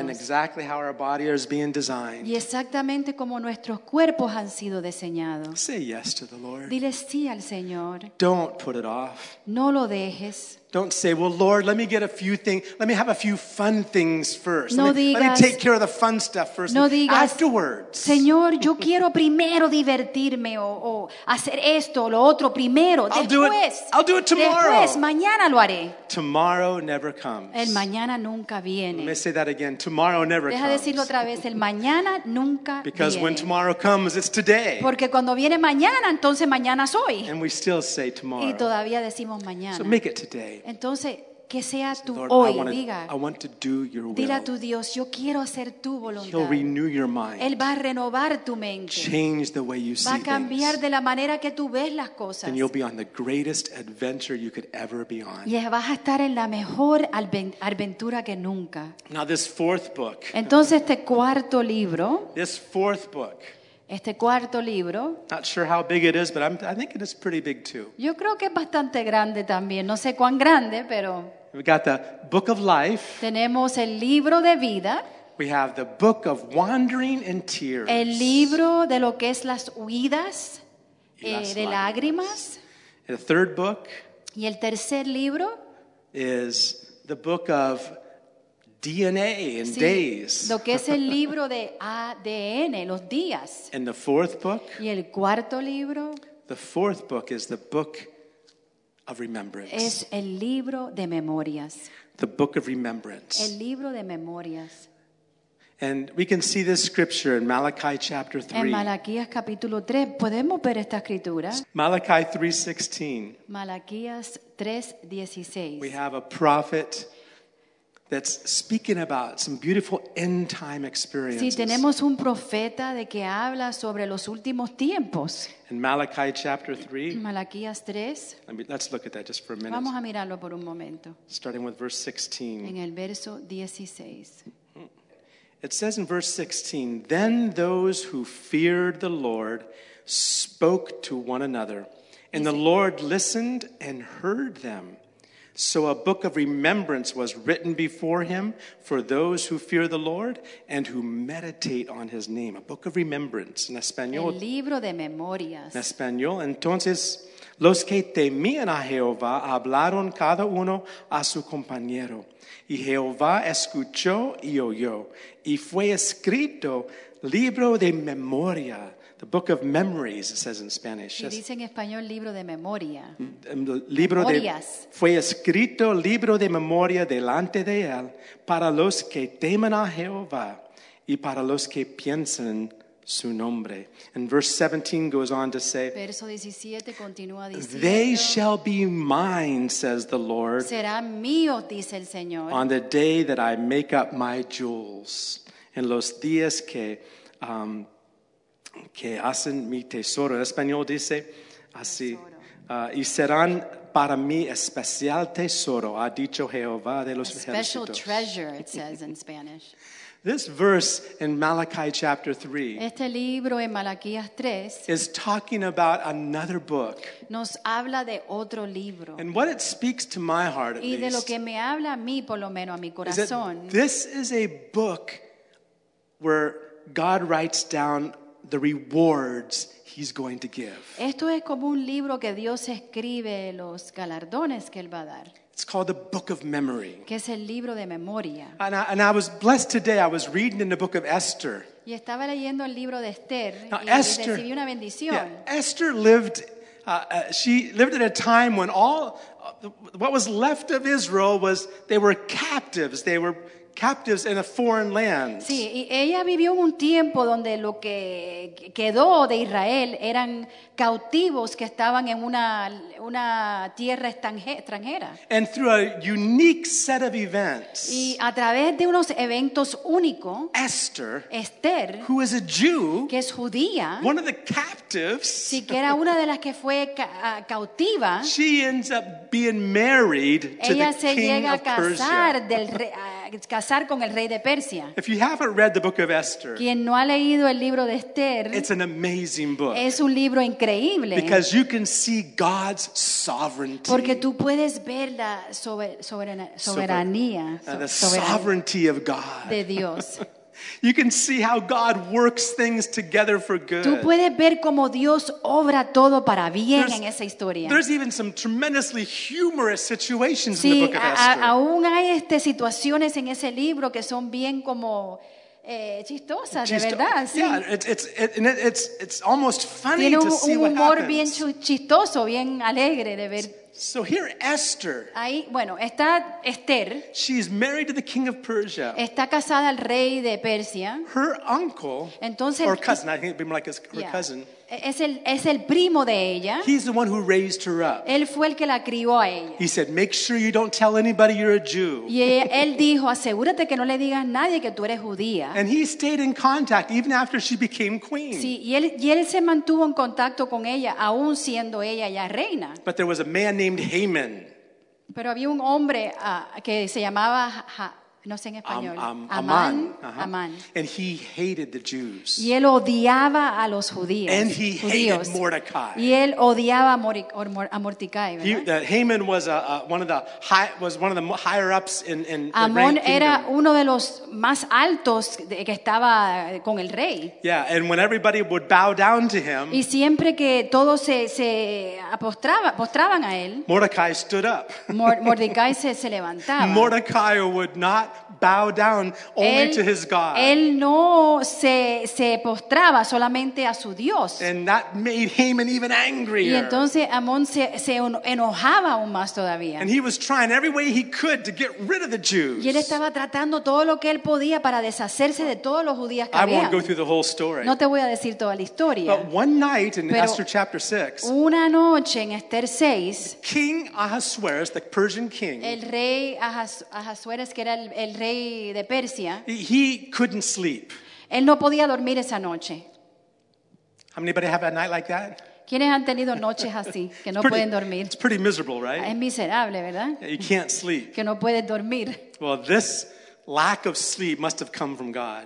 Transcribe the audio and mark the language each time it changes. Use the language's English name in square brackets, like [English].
[English] and exactly how our body is being designed. [Spanish] Y exactamente como nuestros cuerpos han sido diseñados. [English] Say yes to the Lord. [Spanish] Dile sí al Señor. [English] Don't put it off. [Spanish] No lo dejes. [English] Don't say, well, Lord, let me get a few things. Let me have a few fun things first. [Spanish] No [English] let, me, [Spanish] digas, [English] let me take care of the fun stuff first. [Spanish] No digas, [English] afterwards. [Spanish] Señor, yo quiero primero divertirme o hacer esto o lo otro primero. [English] I'll [Spanish] después. [English] Do it. I'll do it tomorrow. [Spanish] Después, mañana lo haré. [English] Tomorrow never comes. [Spanish] El mañana nunca viene. [English] Let me say that again. Tomorrow never [Spanish] deja [English] comes. [Spanish] Deja decirlo otra vez. El mañana nunca [English] because [Spanish] viene. [English] Because when tomorrow comes, it's today. [Spanish] Porque cuando viene mañana, entonces mañana es hoy. [English] And we still say tomorrow. [Spanish] Y todavía decimos mañana. [English] So make it today. [Spanish] Entonces, que sea tu hoy, diga. [English] I want to do your will. [Spanish] Dile a tu Dios, yo quiero hacer tu voluntad. [English] He'll renew your mind. [Spanish] Él va a renovar tu mente. [English] Change the way you see things. [Spanish] Va a cambiar de la manera que tú ves las cosas. [English] And you'll be on the greatest adventure you could ever be on. [Spanish] Y vas a estar en la mejor aventura que nunca. [English] Now this fourth book. [Spanish] Entonces este cuarto libro. [English] This fourth book. [Spanish] Este cuarto libro. [English] Not sure how big it is, but I think it is pretty big too. [Spanish] Yo creo que es bastante grande también. No sé cuán grande, pero. [English] We got the book of life. [Spanish] Tenemos el libro de vida. [English] We have the book of wandering and tears. [Spanish] El libro de lo que es las huidas de lágrimas. [English] And the third book. [Spanish] Y el tercer libro. [English] Is the book of DNA and [Spanish] sí, [English] days. [Spanish] Lo que es el libro de ADN, los días. [English] And the fourth book. [Spanish] Y el cuarto libro. [English] The fourth book is the book of remembrance. [Spanish] Es el libro de memorias. [English] The book of remembrance. [Spanish] El libro de memorias. [English] And we can see this scripture in Malachi chapter 3. [Spanish] En Malaquías capítulo 3 podemos ver esta escritura. [English] Malachi 3:16. [Spanish] Malaquías 3:16. [English] We have a prophet that's speaking about some beautiful end time experiences. [Spanish] Sí, tenemos un profeta de que habla sobre los últimos tiempos. [English] In Malachi chapter 3. [Spanish] Malaquías 3. [English] Let's look at that just for a minute. [Spanish] Vamos a mirarlo por un momento. [English] Starting with verse 16. [Spanish] En el verso 16. [English] It says in verse 16, "Then those who feared the Lord spoke to one another, and the Lord listened and heard them. So a book of remembrance was written before him for those who fear the Lord and who meditate on his name." A book of remembrance, [Spanish] en español. El libro de memorias. En español. Entonces, los que temían a Jehová hablaron cada uno a su compañero. Y Jehová escuchó y oyó. Y fue escrito libro de memoria. [English] The book of memories, it says in Spanish. [Spanish] Y dice en español libro de memoria. Libro memorias. De, fue escrito libro de memoria delante de él para los que temen a Jehová y para los que piensan su nombre. [English] And verse 17 goes on to say, [Spanish] verso 17 continúa diciendo, [English] "They shall be mine, says the Lord, [Spanish] será mío, dice el Señor, [English] on the day that I make up my jewels, [Spanish] en los días que... que hacen mi tesoro." En español dice así. Y serán para mí especial tesoro, ha dicho Jehová de los ejércitos. [English] Special treasure, it says in Spanish. This verse in Malachi chapter 3. [Spanish] Este libro en Malaquías 3. [English] Is talking about another book. [Spanish] Nos habla de otro libro. [English] And what it speaks to my heart at least. [Spanish] Y de lo que me habla a mí, por lo menos a mi corazón. [English] Is that this is a book where God writes down the rewards he's going to give. [Spanish] Esto es como un libro que Dios escribe los galardones que él va a dar. [English] It's called the Book of Memory. [Spanish] Que es el libro de memoria. [English] And I was blessed today. I was reading in the Book of Esther. [Spanish] Y estaba leyendo el libro de Esther. [English] Now, [Spanish] y Esther, recibí una bendición. [English] Yeah, Esther lived. She lived at a time when all what was left of Israel was they were captives. They were captives in a foreign land. [Spanish] Sí, y ella vivió un tiempo donde lo que quedó de Israel eran cautivos que estaban en una tierra extranjera. [English] And through a unique set of events. [Spanish] Y a través de unos eventos únicos. [English] Esther, who is a Jew, [Spanish] que es judía, [English] one of the captives. [Spanish] Sí, que era una de las que fue cautiva. [English] She ends up being married to the king of Persia. [Spanish] Ella se llega a casar del rey. Casar con el rey de Persia. [English] If you haven't read the book of Esther, [Spanish] quien no ha leído el libro de Esther, [English] it's an amazing book. [Spanish] Es un libro increíble. [English] Because you can see God's sovereignty. [Spanish] Porque tú puedes ver la soberanía. [English] The sovereignty of God. [Spanish] De Dios. [English] You can see how God works things together for good. [Spanish] Tú puedes ver cómo Dios obra todo para bien en esa historia. [English] There's even some tremendously humorous situations [Spanish] sí, [English] in the book of Esther. [Spanish] Aún hay situaciones en ese libro que son bien como chistosas, de verdad. [English] Yeah, [Spanish] sí. [English] it's almost funny [Spanish] tiene [English] to see what happens. [Spanish] Tiene un humor bien chistoso, bien alegre de ver. [English] So here Esther. [Spanish] Ahí, bueno, está Esther. [English] She's married to the king of Persia. [Spanish] Está casada al rey de Persia. [English] Her uncle. [Spanish] Entonces, [English] or cousin, I think it'd be more like her cousin. [Spanish] es el primo de ella. [English] He's the one who raised her up. [Spanish] Él fue el que la crió a ella. [English] He said, "Make sure you don't tell anybody you're a Jew." [Spanish] Y él dijo, "Asegúrate que no le digas a nadie que tú eres judía." [English] And he stayed in contact even after she became queen. [Spanish] Sí, y él se mantuvo en contacto con ella aún siendo ella ya reina. [English] But there was a man named Haman. [Spanish] Pero había un hombre que se llamaba no sé en español. Amán. [English] Uh-huh. Amán. And he hated the Jews. [Spanish] Y él odiaba a los judíos. [English] And he hated Mordecai. [Spanish] Y él odiaba a Mordecai. [English] Haman was one of the higher ups in the Amón rank kingdom. [Spanish] Era uno de los más altos que estaba con el rey. [English] Yeah, and when everybody would bow down to him. [Spanish] Y siempre que todos se postraban a él. [English] Mordecai stood up. [Spanish] Mordecai se levantaba. [English] Mordecai would not bow down only to his God. [Spanish] Él no se postraba solamente a su Dios. [English] And that made Haman even angrier. [Spanish] Y entonces Amón se enojaba aún más todavía. [English] And he was trying every way he could to get rid of the Jews. [Spanish] Y él estaba tratando todo lo que él podía para deshacerse de todos los judíos que había. [English] I won't go through the whole story. [Spanish] No te voy a decir toda la historia. [English] But one night in Esther chapter 6. [Spanish] Una noche en Esther 6. [English] King Ahasuerus, the Persian king. [Spanish] El rey Ahasuerus, que era el rey de Persia, [English] he couldn't sleep. [Spanish] Él no podía dormir esa noche. [English] How many have a night like that? [Spanish] ¿Quiénes han tenido noches así que no pueden dormir? [English] It's pretty miserable, right? [Spanish] Es miserable, ¿verdad? [English] You can't sleep. [Spanish] Que no puedes dormir. [English] Well, this lack of sleep must have come from God.